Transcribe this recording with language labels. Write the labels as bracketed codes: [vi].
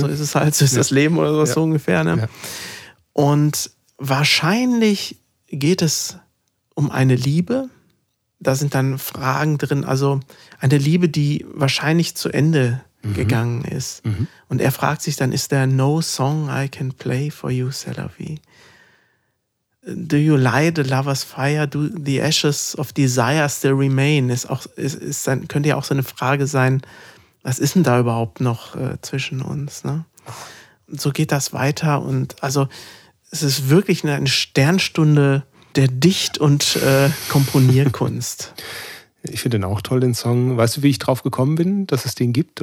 [de] So ist es halt, so ist ja. Das Leben oder so, ja. So ungefähr. Ne? Ja. Und wahrscheinlich geht es um eine Liebe. Da sind dann Fragen drin, also eine Liebe, die wahrscheinlich zu Ende gegangen ist. Mhm. Und er fragt sich dann, ist [en] there no song I can play for you, C'est la vie? Do you light the lover's fire? Do the ashes of desire still remain? [de] Ist auch, könnte ja auch so eine Frage sein, was ist denn da überhaupt noch zwischen uns? Ne? So geht das weiter und also es ist wirklich eine Sternstunde der Dicht- und Komponierkunst. Ich finde den auch toll, den Song. Weißt du, wie ich drauf gekommen bin, dass es den gibt?